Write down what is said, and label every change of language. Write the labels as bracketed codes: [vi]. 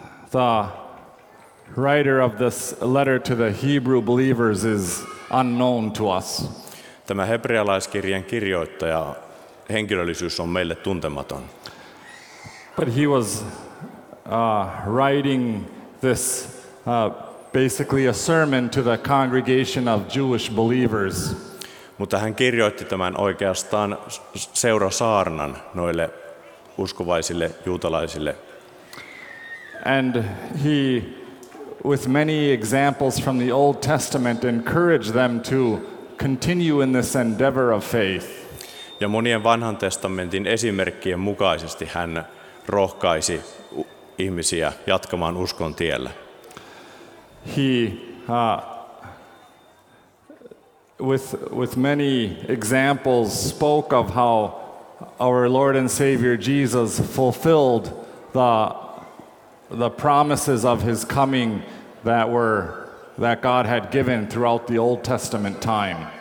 [en] The writer of this letter to the Hebrew believers is unknown to us. [fi] Tämä hebrealaiskirjan kirjoittaja henkilöllisyys on meille tuntematon. [en] But he was writing this basically a sermon to the congregation of Jewish believers. [fi] Mutta hän kirjoitti tämän oikeastaan seurasaarnan noille uskovaisille juutalaisille. [en] And he, with many examples from the Old Testament, encouraged them to continue in this endeavor of faith. [fi] Ja monien vanhan testamentin esimerkkien mukaisesti hän rohkaisi ihmisiä jatkamaan uskon tiellä. [en] He, with many examples, spoke of how our Lord and Savior Jesus fulfilled the the promises of his coming that God had given throughout the Old Testament time.